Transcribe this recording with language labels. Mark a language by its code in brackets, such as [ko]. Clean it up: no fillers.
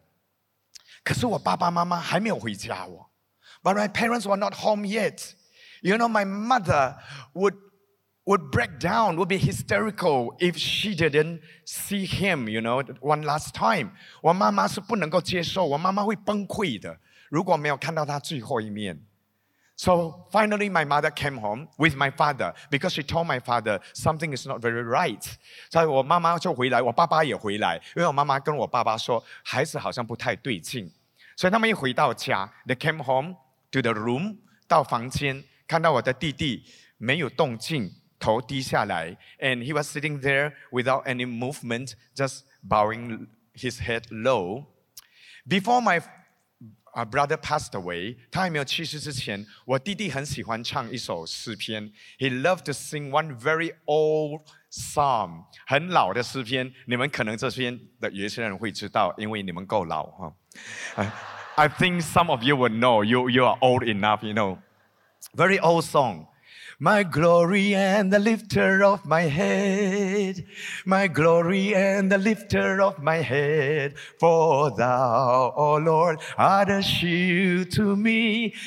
[zh] 他就坐在那边，头是低下来的。可是我爸爸妈妈还没有回家哦。 [en] But my parents were not home yet. You know, my mother would break down, would be hysterical if she didn't see him, you know, one last time. [zh] 我妈妈是不能够接受，我妈妈会崩溃的，如果没有看到她最后一面。 [en] So finally, my mother came home with my father because she told my father something is not very right. [zh] 所以我妈妈就回来，我爸爸也回来，因为我妈妈跟我爸爸说孩子好像不太对劲。所以他们一回到家， [en] they came home to the room, [zh] 到房间。看到我的弟弟没有动静，头低下来， [en] and he was sitting there without any movement, just bowing his head low. Before my brother passed away, [zh] 他还没有去世之前， 我弟弟很喜欢唱一首诗篇。 [en] He loved to sing one very old psalm, [zh] 很老的诗篇。你们可能这篇的有些人会知道， 因为你们够老。 [en] I think some of you would know, you are old enough, you know. Very old song. My glory and the lifter of my head. My glory and the lifter of my head. For thou, O Lord, art a shield to me.